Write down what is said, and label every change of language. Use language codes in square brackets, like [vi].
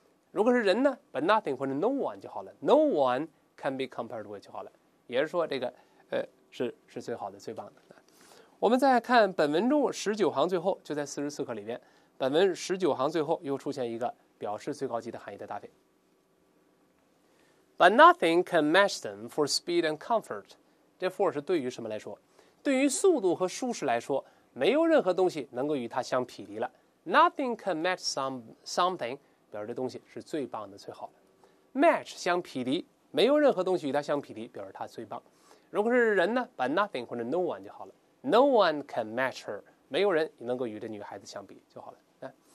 [zh] 如果是人呢，把 nothing 或者 no one 就好了， [en] no one can be compared with [zh] 就好了，也是说这个是最好的最棒的。我们再看本文中19行最后，就在44课里边，本文19行最后又出现一个表示最高级的含义的搭配。 [en] But nothing can match them for speed and comfort. [zh] 这 for 是对于什么来说？对于速度和舒适来说，没有任何东西能够与它相匹敌了。 [en] Nothing can match something， [zh] 表示这东西是最棒的、最好的。 Match 相匹敌，没有任何东西与它相匹敌，表示它最棒。如果是人呢，把 nothing 或者 no one 就好了。 [en] No one can match her， [zh] 没有人能够与这女孩子相比就好了。